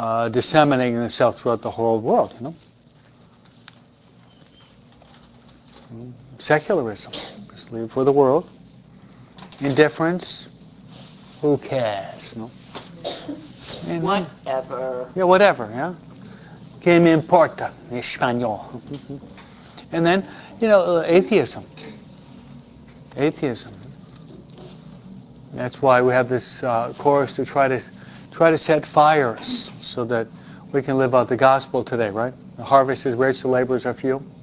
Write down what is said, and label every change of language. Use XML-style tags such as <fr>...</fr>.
<en>disseminating themselves throughout the whole world, you know? Secularism, just leave it for the world. Indifference, who cares, you know? And, whatever. Yeah, whatever, yeah?</en> <es>Que me importa, en español.</es> <en>And then, you know, atheism. Atheism. That's why we have this chorus to try to set fires so that we can live out the gospel today, right? The harvest is rich, the laborers are few.</en>